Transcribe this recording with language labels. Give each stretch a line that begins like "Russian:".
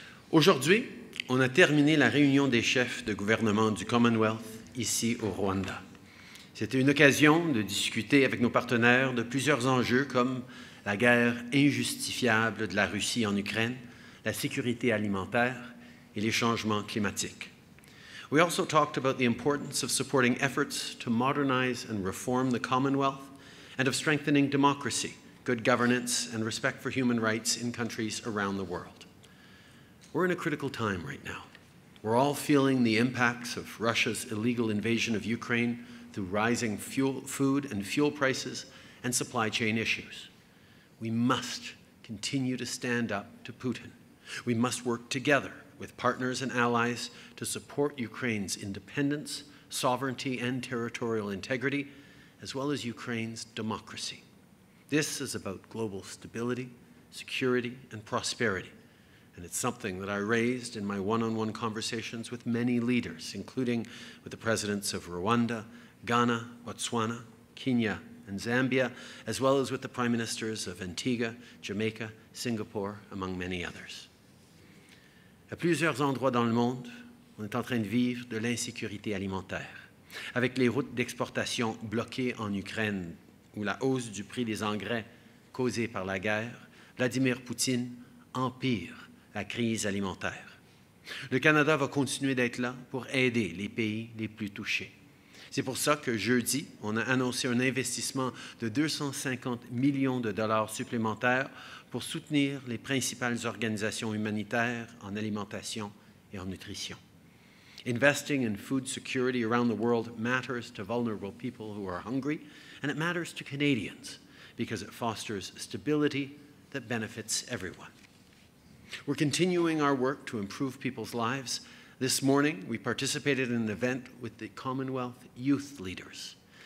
French: Aujourd'hui, on a terminé la réunion des chefs de gouvernement du Commonwealth ici au Rwanda. C'était une occasion de discuter avec nos partenaires de plusieurs enjeux comme la guerre injustifiable de la Russie en Ukraine, la sécurité alimentaire et les changements climatiques.
English: We also talked about the importance of supporting efforts to modernize and reform the Commonwealth and of strengthening democracy, good governance, and respect for human rights in countries around the world. We're in a critical time right now. We're all feeling the impacts of Russia's illegal invasion of Ukraine through rising food and fuel prices and supply chain issues. We must continue to stand up to Putin. We must work together with partners and allies to support Ukraine's independence, sovereignty, and territorial integrity, as well as Ukraine's democracy. This is about global stability, security, and prosperity, and it's something that I raised in my one-on-one conversations with many leaders, including with the presidents of Rwanda, Ghana, Botswana, Kenya, and Zambia, as well as with the prime ministers of Antigua, Jamaica, Singapore, among many others.
French: À plusieurs endroits dans le monde, on est en train de vivre de l'insécurité alimentaire. Avec les routes d'exportation bloquées en Ukraine ou la hausse du prix des engrais causée par la guerre, Vladimir Poutine empire la crise alimentaire. Le Canada va continuer d'être là pour aider les pays les plus touchés. C'est pour ça que jeudi, on a annoncé un investissement de 250 millions de dollars supplémentaires pour soutenir les principales organisations humanitaires en alimentation et en nutrition.
English: Investing in food security around the world matters to vulnerable people who are hungry, and it matters to Canadians because it fosters stability that benefits everyone. We're continuing our work to improve people's lives. This morning, we participated in an event with the Commonwealth youth leaders.